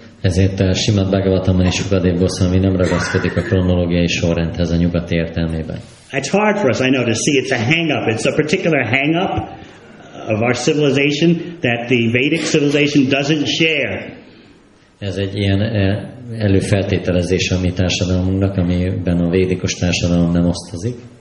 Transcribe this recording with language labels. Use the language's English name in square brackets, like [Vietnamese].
[Hungarian] Ezért Srimad Bhagavataman és Shukadev Goswami nem ragaszkodik a kronológiai sorrendhez a nyugati értelmében. [English] It's hard for us, I know, to see. It's a hang-up. It's a particular hang-up of our civilization that the Vedic civilization doesn't share. [Hungarian] Ez egy ilyen előfeltételezés a mi társadalmunknak, amiben a védikus társadalom nem osztozik.